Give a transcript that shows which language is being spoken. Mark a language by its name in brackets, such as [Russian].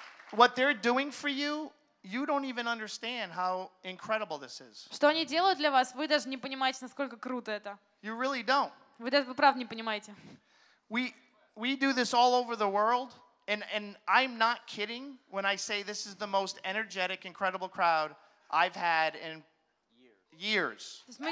[English] What they're doing for you, you don't even understand how incredible this is. [Russian] Что они делают для вас, вы даже не понимаете, насколько круто это. [English] You really don't. [Russian] Вы даже правда не понимаете. [English] We do this all over the world, and I'm not kidding when I say this is the most energetic, incredible crowd I've had in years.